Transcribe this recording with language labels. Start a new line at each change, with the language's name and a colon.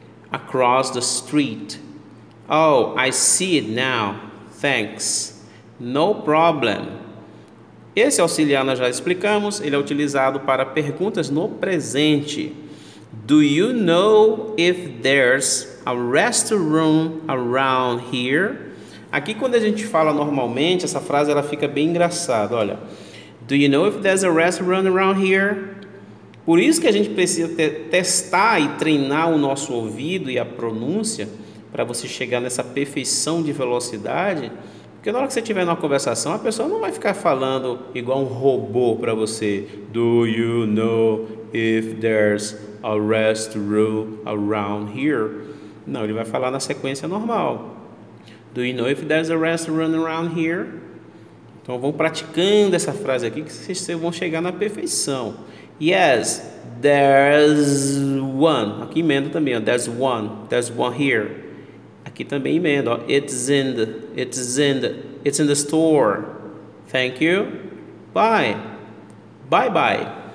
English: Across the street. Oh, I see it now. Thanks. No problem.
Portuguese: Esse auxiliar nós já explicamos. Ele é utilizado para perguntas no presente.
English: Do you know if there's a restroom around here?
Portuguese: Aqui quando a gente fala normalmente, essa frase ela fica bem engraçada, olha.
English: Do you know if there's a restroom around here?
Portuguese: Por isso que a gente precisa testar e treinar o nosso ouvido e a pronúncia para você chegar nessa perfeição de velocidade. Porque na hora que você estiver numa conversação, a pessoa não vai ficar falando igual um robô para você.
English: Do you know if there's a restroom around here?
Portuguese: Não, ele vai falar na sequência normal.
English: Do you know if there's a restroom around here?
Portuguese: Então vão praticando essa frase aqui que vocês vão chegar na perfeição.
English: Yes, there's one.
Portuguese: Aqui emenda também, ó.
English: There's one here.
Portuguese: Aqui também emenda, ó.
English: It's in the store. Thank you. Bye. Bye bye.